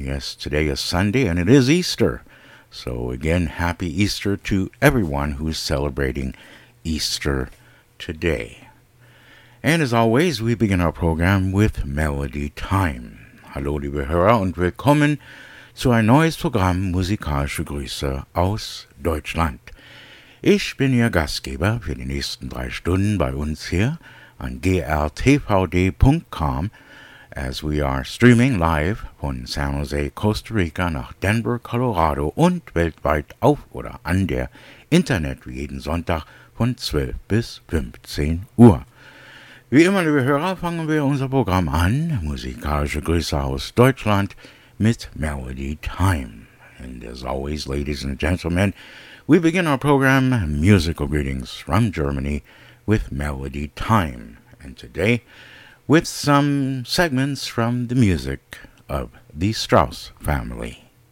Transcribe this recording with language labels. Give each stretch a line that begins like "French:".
English: Yes, today is Sunday and it is Easter. So again, happy Easter to everyone who is celebrating Easter today. And as always, we begin our program with Melody Time.
German: Hallo liebe Hörer und willkommen zu ein neues Programm Musikalische Grüße aus Deutschland. Ich bin Ihr Gastgeber für die nächsten 3 Stunden bei uns hier an grtvd.com
English: as we are streaming live
German: von San Jose, Costa Rica nach Denver, Colorado und weltweit auf oder an der Internet wie jeden Sonntag von 12 bis 15 Uhr. Wie immer, liebe Hörer, fangen wir unser Programm an. Musikalische Grüße aus Deutschland mit Melody Time.
English: And as always, ladies and gentlemen, we begin our program Musical Greetings from Germany with Melody Time. And today, with some segments from the music of the Strauss family.